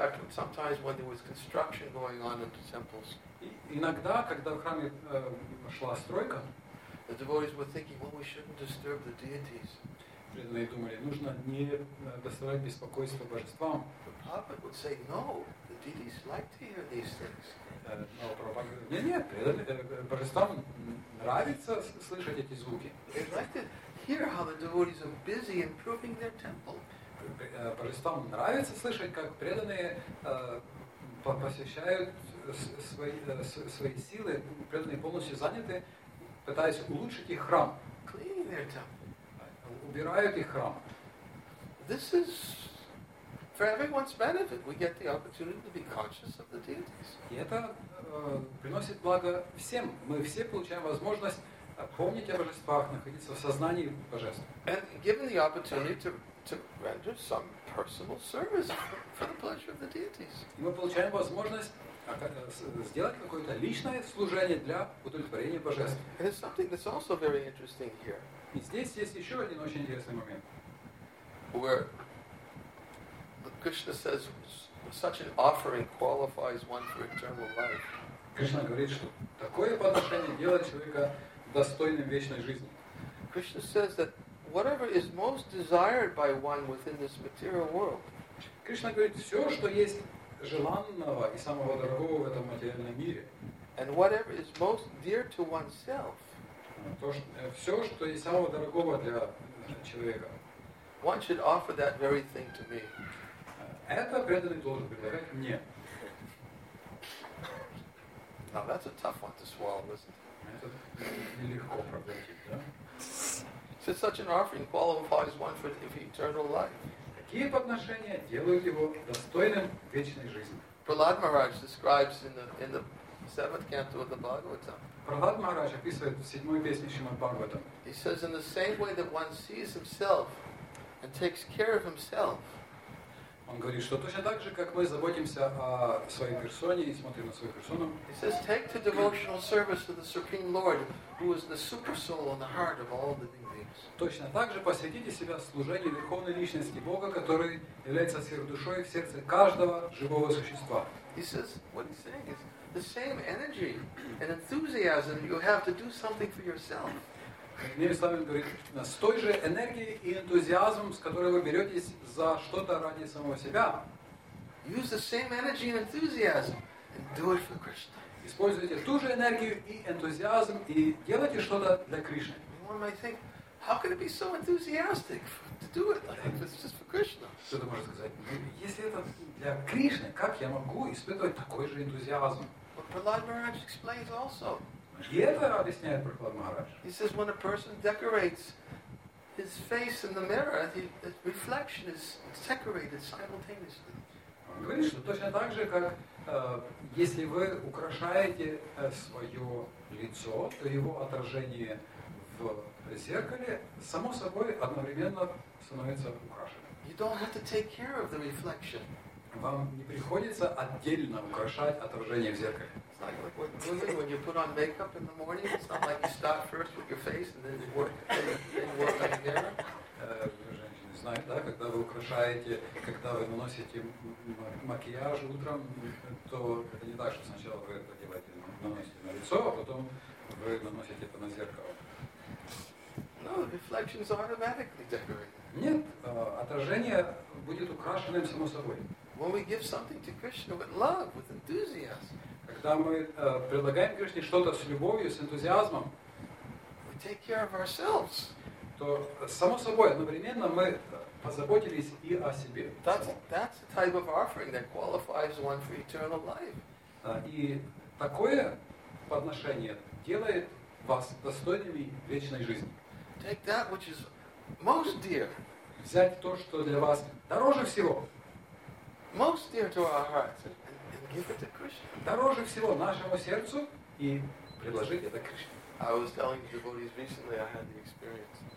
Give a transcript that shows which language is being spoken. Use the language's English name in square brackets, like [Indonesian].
[English] Sometimes when there was construction going on in the temples. [Russian] Иногда, когда в храме шла стройка, [English] the devotees were thinking, well, we shouldn't disturb the deities. [Russian] Преданные думали, нужно не доставлять беспокойство божествам. [English] Prabhupada would say, no, the deities like to hear these things. [Russian] Но Прабхупада говорит, нет, божествам нравится слышать эти звуки. [English] They like to hear how the devotees are busy improving their temple. [Russian] Божествам нравится слышать, как преданные посвящают свои силы, преданные полностью заняты, пытаясь улучшить их храм. [English] Cleaning their temple. [Russian] Убирают их храм. [English] This is for everyone's benefit. We get the opportunity to be conscious of the deities. [Russian] И это приносит благо всем. Мы все получаем возможность помнить о божествах, находиться в сознании божеств. [English] And given the opportunity to render some personal service for the pleasure of the deities. [Russian] И мы получаем возможность сделать какое-то личное служение для удовлетворения божеств. [English] And it's something that's also very interesting here. [Russian] И здесь есть еще один очень интересный момент. [English] Where Krishna says such an offering qualifies one for eternal life. [Russian] Кришна говорит, что такое подношение делает человека достойным вечной жизни. [English] Krishna says that whatever is most desired by one within this material world. [Russian] Кришна говорит, все, что есть желанного и самого дорогого в этом материальном мире. [English] And whatever is most dear to oneself. [Russian] Все, что есть самого дорогого для человека. [English] One should offer that very thing to me. [Russian] Это преданный должен предлагать мне. [English] Now that's a tough one to swallow, isn't it? [Russian] Это нелегко проглотить, да? [English] So such an offering qualifies one for eternal life. [Russian] Такие подношения делают его достойным вечной жизни. [English] Prahlad Maharaj describes in the seventh canto of the Bhagavatam. [Russian] Prahlad Maharaj описывает в седьмой песне Шримад Бхагаватам. [English] He says in the same way that one sees himself and takes care of himself. [Russian] Он говорит, что точно так же, как мы заботимся о своей персоне и смотрим на свою персону. [English] He says, take to devotional service to the Supreme Lord, who is the super soul and the heart of all living beings. [Russian] Точно так же посвятите себя служению Верховной Личности Бога, который является сверхдушой в сердце каждого живого существа. [English] He says, what he's saying is, the same energy and enthusiasm you have to do something for yourself. [Russian] Иными словами, говорит, с той же энергией и энтузиазмом, с которой вы беретесь за что-то ради самого себя. [English] Use the same energy and enthusiasm and do it for Krishna. [Russian] Используйте ту же энергию и энтузиазм и делайте что-то для Кришны. [English] One might think, how can it be so enthusiastic to do it like this just for Krishna? [Russian] Кто-то может сказать, если это для Кришны, как я могу испытывать такой же энтузиазм? [English] But Prahlad Maharaj explains also. [Russian] И это объясняет Прахлад Махарадж. [English] He says when a person decorates his face in the mirror, the reflection is decorated simultaneously. [Russian] Он говорит, что точно так же, как если вы украшаете свое лицо, то его отражение в зеркале само собой одновременно становится украшенным. [English] You don't have to take care of the reflection. [Russian] Вам не приходится отдельно украшать отражение в зеркале. [English] When you put on makeup in the morning, it's not like you start first with your face and then work on the mirror. [Russian] Женщины знают, да, когда вы украшаете, когда вы наносите макияж утром, то это не так, что сначала вы это делаете, наносите на лицо, а потом вы наносите это на зеркало. [English] No, the reflections are automatically decorated. [Russian] Нет, отражение будет украшенным само собой. [English] When we give something to Krishna with love, with enthusiasm. [Russian] Когда мы предлагаем Кришне что-то с любовью, с энтузиазмом, [English] we take care of ourselves. [Russian] То само собой, одновременно мы позаботились и о себе. [English] That's the type of offering that qualifies one for eternal life. [Russian] И такое подношение делает вас достойными вечной жизни. [English] Take that which is most dear. [Russian] Взять то, что для вас дороже всего. [English] Most dear to our hearts, and give it to Krishna. [Russian] Дороже всего нашему сердцу и предложить это Кришне. [English] I was telling the devotees recently, I had the experience.